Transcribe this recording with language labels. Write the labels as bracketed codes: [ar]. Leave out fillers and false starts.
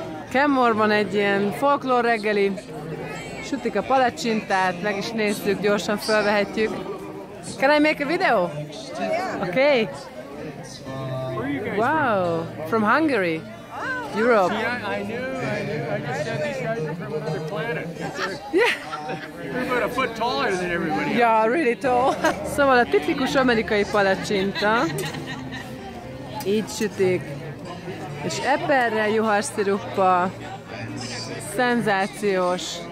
[hu] Kemmorban egy ilyen folklór reggeli. Sütik a palacsintát, meg is néztük, gyorsan felvehetjük. [en] Can I make a video? Yeah. Okay. Wow, from Hungary, Europe. Yeah, I knew. I just said these guys are from another planet. Yeah. We're about a foot taller than everybody else. Yeah, really tall. [hu] Szóval a tipikus amerikai palacsinta. Így sütik. És eperrel, juharszirupppal. Szenzációs.